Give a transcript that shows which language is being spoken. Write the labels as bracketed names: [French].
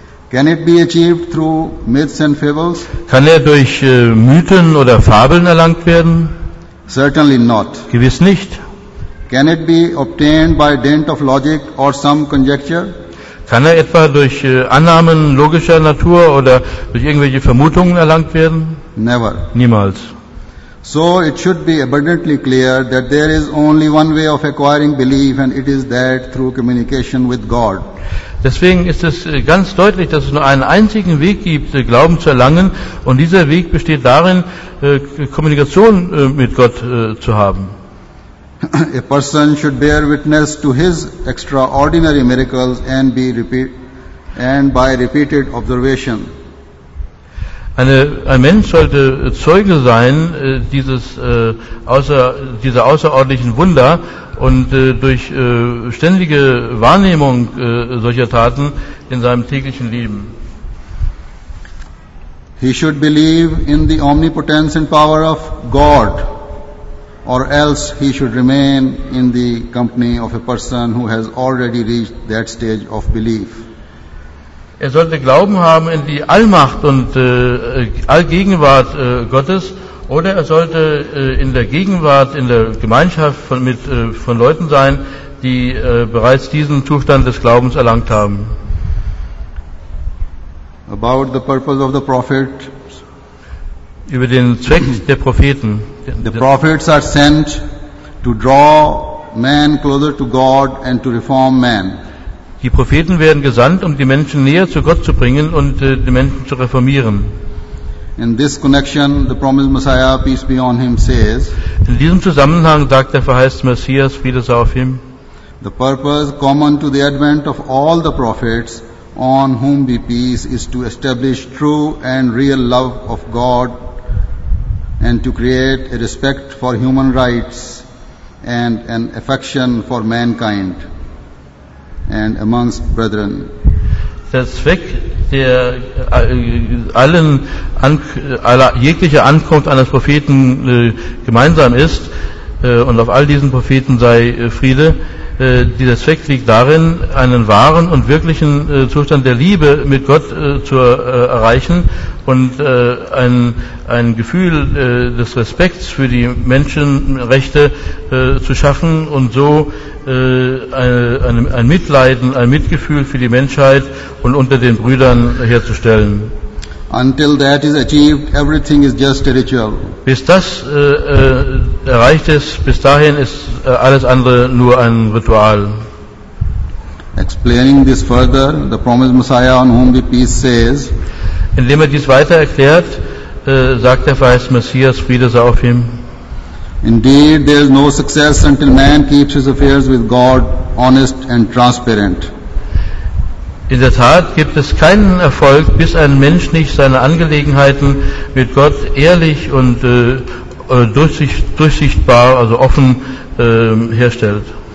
[English] Can it be achieved through myths and fables? [German] Kann er durch Mythen oder Fabeln erlangt werden? [English] Certainly not. [German] Gewiss nicht. [English] Can it be obtained by dint of logic or some conjecture? [German] Kann er etwa durch Annahmen logischer Natur oder durch irgendwelche Vermutungen erlangt werden? [English] Never. [German] Niemals. [English] So it should be abundantly clear that there is only one way of acquiring belief and it is that through communication with God. [German] Deswegen ist es ganz deutlich, dass es nur einen einzigen Weg gibt, Glauben zu erlangen, und dieser Weg besteht darin, Kommunikation mit Gott zu haben. [English] A person should bear witness to his extraordinary miracles and by repeated observation. [German] Ein Mensch sollte Zeuge sein dieser außerordentlichen Wunder und durch ständige Wahrnehmung solcher Taten in seinem täglichen Leben. [English] He should believe in the omnipotence and power of God. Or else he should remain in the company of a person who has already reached that stage of belief. [German] Er sollte Glauben haben in die Allmacht und Allgegenwart Gottes, oder er sollte in der Gegenwart, in der Gemeinschaft von Leuten sein, die bereits diesen Zustand des Glaubens erlangt haben. [English] About the purpose of the prophet. [German] Über den Zweck der Propheten. [English] The prophets are sent to draw man closer to God and to reform man. [German] Die Propheten werden gesandt, um die Menschen näher zu Gott zu bringen und die Menschen zu reformieren. [English] In this connection, the promised Messiah, peace be on him, says, [German] in diesem Zusammenhang sagt der verheißte Messias, Friede sei auf ihm, [English] the purpose common to the advent of all the prophets, on whom be peace, is to establish true and real love of God and to create a respect for human rights and an affection for mankind and amongst brethren. [German] Der Zweck der allen jegliche Ankunft eines Propheten gemeinsam ist und auf all diesen Propheten sei Friede. Dieser Zweck liegt darin, einen wahren und wirklichen Zustand der Liebe mit Gott zu erreichen und ein Gefühl des Respekts für die Menschenrechte zu schaffen und so ein Mitleiden, ein Mitgefühl für die Menschheit und unter den Brüdern herzustellen. [English] Until that is achieved, everything is just a ritual. [German] Bis das erreicht ist, bis dahin ist alles andere nur ein Ritual. [English] Explaining this further, the promised Messiah on whom the peace says, [German] indem dies weiter erklärt, sagt der verheißte Messias, Friede sei auf ihm. [English] Indeed, there is no success until man keeps his affairs with God honest and transparent. [German] In der Tat gibt es keinen Erfolg, bis ein Mensch nicht seine Angelegenheiten mit Gott ehrlich und durchsichtbar, also offen herstellt.